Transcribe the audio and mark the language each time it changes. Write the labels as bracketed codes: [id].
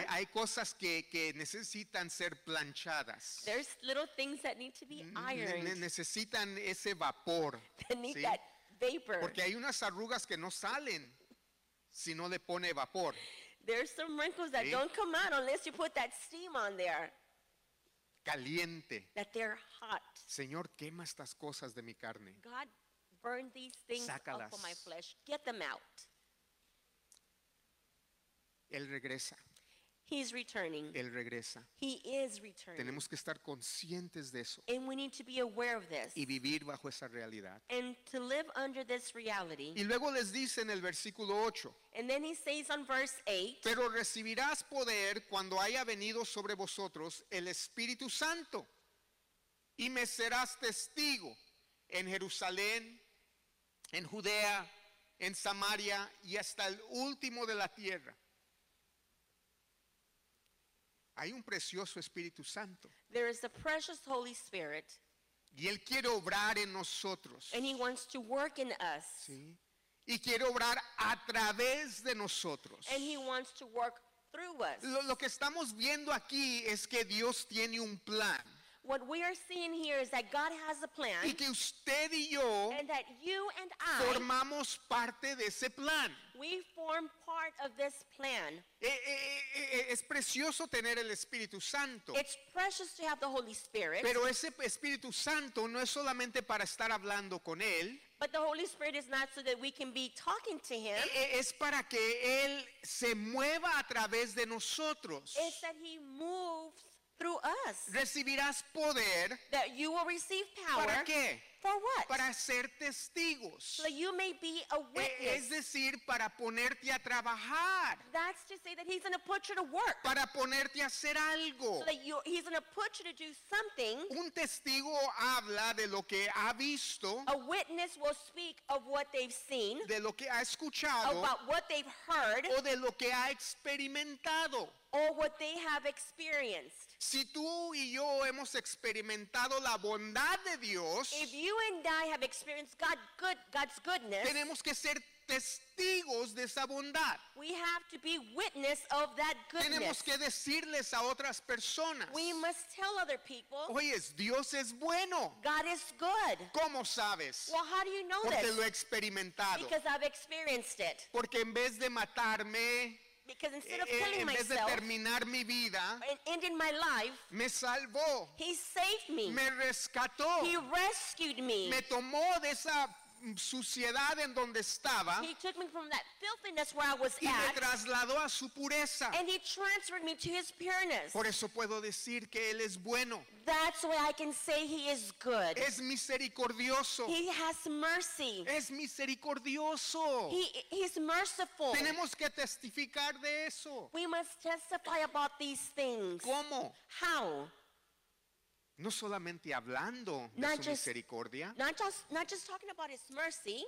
[es] Hay cosas que necesitan ser planchadas. [en] There's little things that need to be ironed. [es] Necesitan ese vapor. [en] They need that vapor. [es] Porque hay unas arrugas que no salen si no le pone vapor. [en] There's some wrinkles that don't come out unless you put that steam on there. [es] Caliente. [en] That they're hot. [es] Señor, quema estas cosas de mi carne. [en] God, burn these things [es] Sácalas. [en] Up of my flesh. Get them out. [es] Él regresa. [en] He's returning. [es] Él regresa. [en] He is returning. [es] Tenemos que estar conscientes de eso. [en] And we need to be aware of this. [es] Y vivir bajo esa realidad. [en] And to live under this reality. [es] Y luego les dice en el versículo 8. [en] And then he says on verse 8. [es] Pero recibirás poder cuando haya venido sobre vosotros el Espíritu Santo. Y me serás testigo en Jerusalén, en Judea, en Samaria y hasta el último de la tierra. Hay un precioso Espíritu Santo. [en] There is a precious Holy Spirit. [es] Y Él quiere obrar en nosotros. [en] And He wants to work in us. [es] ¿Sí? Y quiere obrar a través de nosotros. [en] And He wants to work through us. [es] Lo que estamos viendo aquí es que Dios tiene un plan. [en] What we are seeing here is that God has a plan. [es] Y que usted y yo [en] and that you and I [es] formamos parte de ese plan. [en] We form part of this plan. [es] Es precioso tener el Espíritu Santo. [en] It's precious to have the Holy Spirit. [es] Pero ese Espíritu Santo no es solamente para estar hablando con Él. [en] But the Holy Spirit is not so that we can be talking to Him. [es] Es para que Él se mueva a través de nosotros. [en] It's that He moves through us. [es] Recibirás poder. [en] That you will receive power. [es] ¿Para qué? [en] For what? [es] Para ser testigos. [en] So you may be a witness. [es] Es decir, para ponerte a trabajar. [en] That's to say that He's going to put you to work. [es] Para ponerte a hacer algo. [en] So that He's going to put you to do something. [es] Un testigo habla de lo que ha visto. [en] A witness will speak of what they've seen. [es] De lo que ha escuchado. [en] About what they've heard. [es] O de lo que ha experimentado. [en] Or what they have experienced. [es] Si tú y yo hemos experimentado la bondad de Dios, [en] if you and I have experienced God's goodness, [es] tenemos que ser testigos de esa bondad. [en] We have to be witness of that goodness. [es] Tenemos que decirles a otras personas. [en] We must tell other people. [es] Oye, Dios es bueno. [en] God is good. [es] ¿Cómo sabes? [en] Well, how do you know [es] Porque [en] this? [es] Lo he experimentado. [en] Because I've experienced it. [es] Porque en vez de matarme, [en] because instead of killing myself, [es] en vez de terminar mi vida, [en] and ending my life, [es] me salvó. [en] He saved me. [es] Me rescató. [en] He rescued me. [es] Me tomó de esa suciedad en donde estaba. [en] He took me from that filthiness where I was [es] y [en] at. [es] Y me trasladó a su pureza. [en] And He transferred me to His pureness. [es] Por eso puedo decir que Él es bueno. [en] That's why I can say He is good. [es] Es misericordioso. [en] He has mercy. [es] Es misericordioso. [en] He's merciful. [es] Tenemos que testificar de eso. [en] We must testify about these things. [es] ¿Cómo? [en] How? [es] No solamente hablando de su misericordia, [en] not just talking about His mercy,